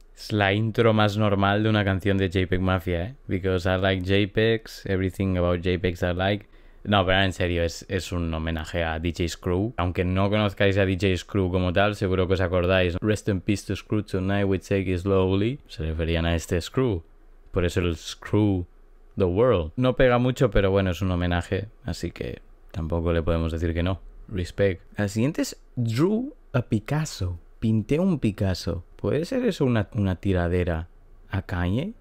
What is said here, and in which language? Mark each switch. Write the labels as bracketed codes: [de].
[es] La intro más normal de una canción de JPEG Mafia, ¿eh? [en] Because I like JPEGs, everything about JPEGs I like. [es] No, pero en serio, es un homenaje a DJ Screw. Aunque no conozcáis a DJ Screw como tal, seguro que os acordáis. [en] Rest in peace to Screw, tonight we take it slowly. [es] Se referían a este Screw. Por eso el Screw the World. No pega mucho, pero bueno, es un homenaje. Así que tampoco le podemos decir que no. Respect. La siguiente es Drew a Picasso. Pinté un Picasso. ¿Puede ser eso una tiradera a Kanye?